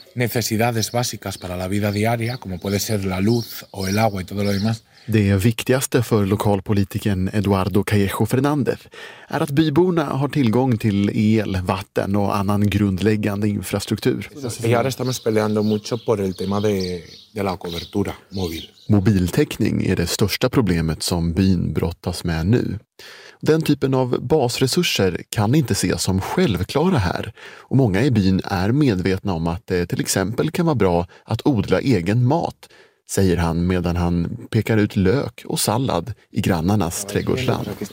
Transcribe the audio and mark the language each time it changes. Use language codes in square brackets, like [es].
[es] Necesidades básicas para la vida diaria, como puede ser la luz o el agua y todo lo demás. [sv] Det viktigaste för lokalpolitiken Eduardo Callejo Fernández är att byborna har tillgång till el, vatten och annan grundläggande infrastruktur. Här [es] estamos peleando mucho por el tema de la cobertura móvil. [sv] Mobiltäckning är det största problemet som byn brottas med nu. Den typen av basresurser kan inte ses som självklara här. Och många i byn är medvetna om att det till exempel kan vara bra att odla egen mat, säger han medan han pekar ut lök och sallad i grannarnas trädgårdsland.